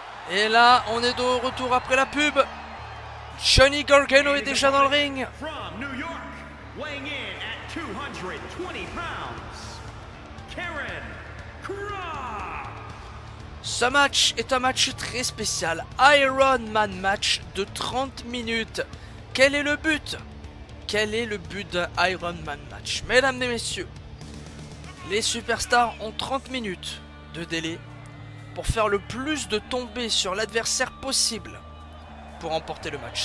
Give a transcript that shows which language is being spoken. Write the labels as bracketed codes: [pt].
[fr] Et là on est de retour après la pub. Johnny Gargano est déjà dans le ring. [en] From New York, weighing in at 220 pounds, Karrion Kross. [fr] Ce match est un match très spécial. Iron Man match de 30 minutes. Quel est le but? Quel est le but d'un Iron Man match? Mesdames et messieurs, les superstars ont 30 minutes de délai pour faire le plus de tombées sur l'adversaire possible. Pour remporter le match.